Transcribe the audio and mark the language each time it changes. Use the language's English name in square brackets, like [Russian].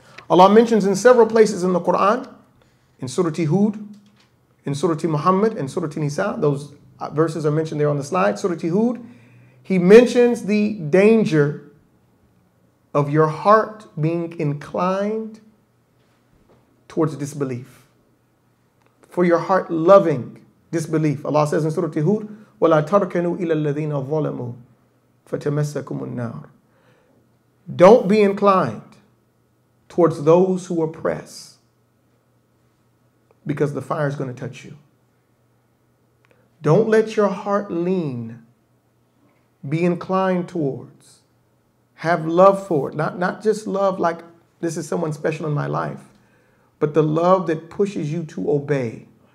[English] Allah mentions in several places in the Quran, in Surah Hud, in Surah Muhammad, and Surah Nisa, those verses are mentioned there on the slide, Surah Hud, He mentions the danger of your heart being inclined towards disbelief. For your heart loving disbelief. Allah says in Surah Hud, [Arabic] وَلَا تَرْكَنُوا إِلَى الَّذِينَ ظَلَمُوا فَتَمَسَّكُمُ النَّارِ. [English] Don't be inclined towards those who oppress, because the fire is going to touch you. Don't let your heart lean, be inclined towards, have love for, not just love like this is someone special in my life, but the love that pushes you to obey.